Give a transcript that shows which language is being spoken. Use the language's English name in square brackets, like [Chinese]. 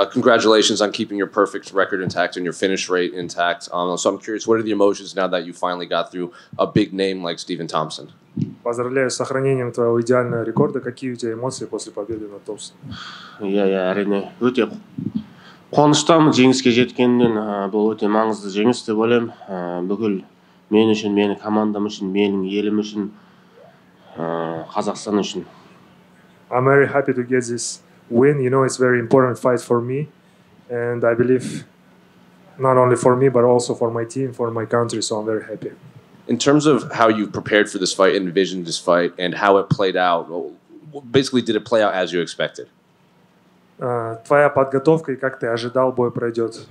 [English] Congratulations on keeping your perfect record intact and your finish rate intact. So I'm curious, what are the emotions now that you finally got through a big name like Stephen Thompson? [Russian] Поздравляю с сохранением твоего идеального рекорда. Какие у тебя эмоции после победы над Томпсоном? [Kazakh] Я әрине өте қуаныштамын жеңіске жеткенінен. Бұл өте маңызды жеңіс деп ойлаймын. Бүкіл мен үшін, менің командам үшін, менің елім үшін, Қазақстан үшін. [English] I'm very happy to get this win. You know, it's a very important fight for me, and I believe not only for me, but also for my team, for my country, so I'm very happy. In terms of how you prepared for this fight, envisioned this fight, and how it played out, basically, did it play out as you expected? [Russian] Твоя подготовка и как ты ожидал бой пройдет?